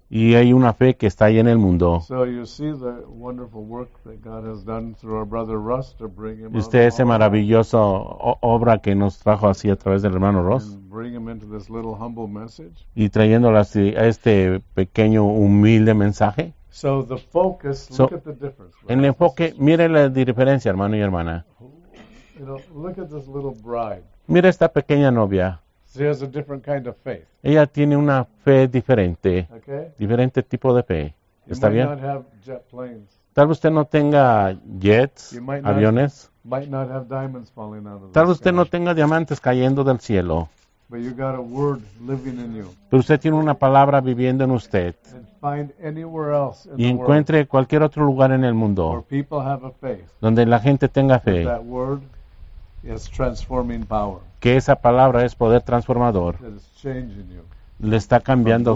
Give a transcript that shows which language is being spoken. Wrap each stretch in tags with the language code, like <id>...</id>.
<es>Y hay una fe que está ahí en el mundo.</es> <en>So you see the wonderful work that God has done through our brother Russ to bring him.</en> <es>Usted ese maravilloso obra que nos trajo así a través del hermano Russ.</es> <en>And bring him into this little humble message.</en> <es>Y trayéndolo así a este pequeño humilde mensaje.</es> <en>So the focus. So, look at the difference.</en> <es>En el enfoque, mire la diferencia, hermano y hermana.</es> <en>You know, look at this little bride.</en> <es>Mira esta pequeña novia.</es> <en>She has a different kind of faith.</en> <es>Ella tiene una fe diferente.</es> <en>Okay.</en> <es>Diferente tipo de fe.</es> <en>You</en> <es>¿está bien?</es> <en>Not have jet planes.</en> <es>Tal vez usted no tenga jets,</es> <en>you might not,</en> <es>aviones.</es> <en>Might not have diamonds falling out of</en> <es>tal vez usted no tenga diamantes cayendo del cielo. But you got a word living in you. Pero usted tiene una palabra viviendo en usted.</es> <en>And find anywhere else in</en> <es>y encuentre</es> <en>the world</en> <es>cualquier otro lugar en el mundo</es> <en>where people have a faith,</en> <es>donde la gente tenga fe.</es> <en>That word is transforming power.</en> <es>Que esa palabra es poder transformador.</es> <en>It is changing you.</en> <es>Le está cambiando</es>